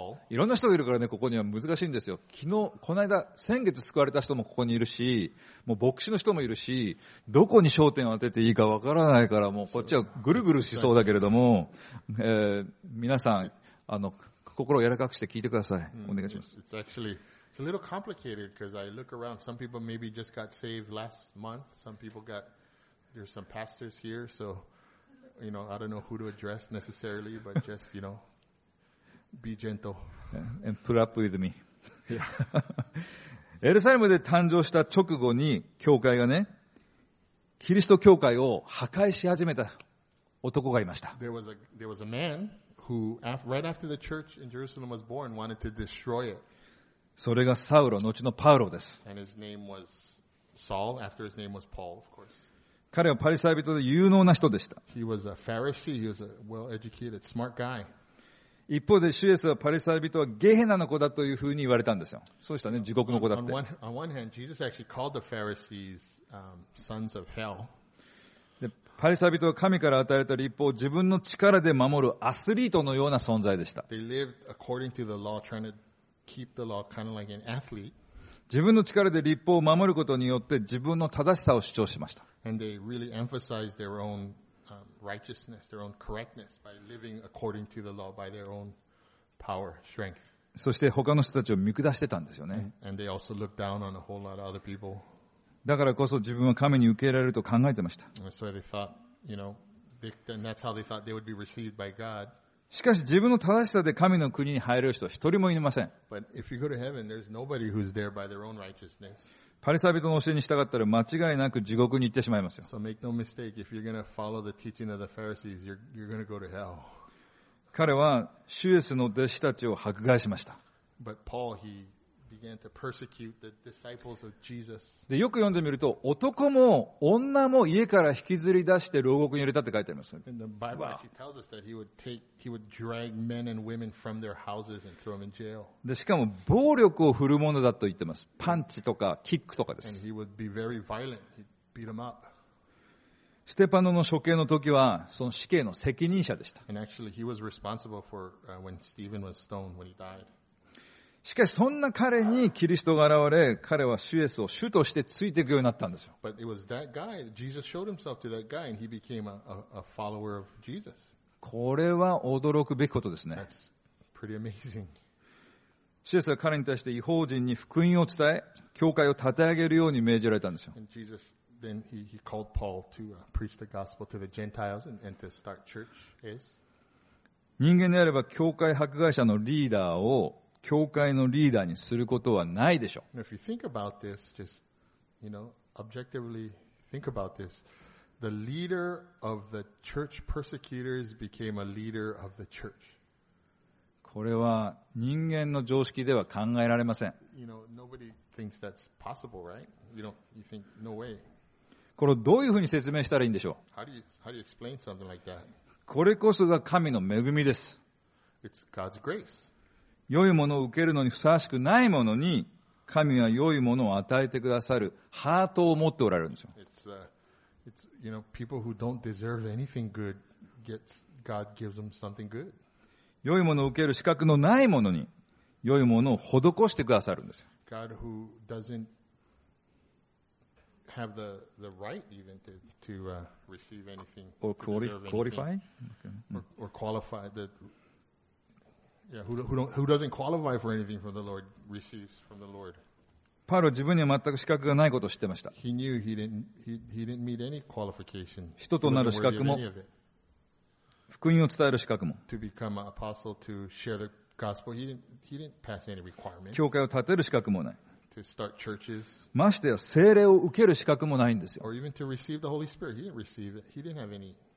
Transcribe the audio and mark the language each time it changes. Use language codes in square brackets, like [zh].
[ja] いろんな人がいるからね、ここには難しいんですよ。昨日、この間、先月救われた人もここにいるし、もう牧師の人もいるし、どこに焦点を当てていいかわからないから、もうこっちはぐるぐるしそうだけれども、皆さん、心を柔らかくして聞いてください。お願いします。 [en] It's a little complicated because I look around. Some people maybe just got saved last month. Some people got, there's some pastors here. So you know, I don't know who to address necessarily, but just, you know, be gentle. Yeah, and put up with me. Yeah. [ja] エルサレムで誕生した直後に教会がね、キリスト教会を破壊し始めた男がいました。 [en] There was a man who, right after the church in Jerusalem was born, wanted to destroy it. [ja] それがサウロ、後のパウロです。 [en] And his name was Saul, after his name was Paul, of course. [ja] 彼はパリサイ人で有能な人でした。 [en] He was a Pharisee, he was a well-educated, smart guy. [ja] 一方で、主イエスはパリサイ人はゲヘナの子だというふうに言われたんですよ。そうしたね、地獄の子だって。 [en] On one hand, Jesus actually called the Pharisees, sons of hell. [ja] で、パリサイ人は神から与えた立法を自分の力で守るアスリートのような存在でした。 [en] They lived according to the law, trying to keep the law kind of like an athlete. [ja] 自分の力で立法を守ることによって自分の正しさを主張しました。 [en] And they really emphasized their own righteousness, their own correctness by living according to the law, by their own power, strength. [ja] そして他の人たちを見下してたんですよね。 [en] And they also looked down on a whole lot of other people. [ja] だからこそ自分は神に受け入れられると考えてました。 [en] And so they thought, you know, that's how they thought they would be received by God. [ja] しかし自分の正しさで神の国に入れる人は一人もいません。 [en] But if you go to heaven, there's nobody who's there by their own righteousness. [ja] パリサイ人の教えに従ったら間違いなく地獄に行ってしまいますよ。 [en] So make no mistake, if you're gonna follow the teaching of the Pharisees, you're gonna go to hell. [ja] 彼は主イエスの弟子たちを迫害しました。 [en] But Paul, he began to persecute the disciples of Jesus. [ja] で、よく読んでみると、男も女も家から引きずり出して牢獄に入れたって書いてあります。 [en] And the Bible actually tells us that he would drag men and women from their houses and throw them in jail. [ja] で、しかも暴力を振るものだと言ってます。パンチとかキックとかです。 [en] And he would be very violent. He'd beat them up. [ja] ステパノの処刑の時は、その死刑の責任者でした。 [en] And actually, he was responsible for when Stephen was stoned when he died. [ja] しかしそんな彼にキリストが現れ、彼は主イエスを主としてついていくようになったんですよ。 [en] But it was that guy. Jesus showed himself to that guy, and he became a follower of Jesus. [ja] これは驚くべきことですね。 [en] That's pretty amazing. [ja] 主イエスは彼に対して異邦人に福音を伝え、教会を立て上げるように命じられたんですよ。 [en] And Jesus then he called Paul to preach the gospel to the Gentiles and to start churches. [ja] 人間であれば教会迫害者のリーダーを教会のリーダーにすることはないでしょ [en] う。If you think about this, just, you know, objectively think about this, the leader of the church persecutors became a leader of the church. [ja] これは人間の常識では考えられません。 [en] You know, nobody thinks that's possible, right? You think, no way. [ja] これをどういうふうに説明したらいいんでしょう。 [en] How do you explain something like that? [ja] これこそが神の恵みです。 [en] It's God's grace. [ja] 良いものを受けるのにふさわしくないものに神は良いものを与えてくださるハートを持っておられるんですよ。 [en] It's, you know, people who don't deserve anything good gets, God gives them something good. [ja] 良いものを受ける資格のないものに良いものを施してくださるんですよ。 [en] God who doesn't have the right even to receive anything or qualify or qualify thatYeah, who doesn't qualify for anything from the Lord receives from the Lord. [ja] パウロ自分には全く資格がないことを知ってました。 [en] He knew he didn't meet any qualification. [ja] 人となる資格も、福音を伝える資格も。 [en] To become an apostle to share the gospel, he didn't pass any requirements. [ja] 教会を建てる資格もない。 [en] To start churches. [ja] ましてや聖霊を受ける資格もないんですよ。 [en] Or even to receive the Holy Spirit, he didn't receive it. He didn't have any.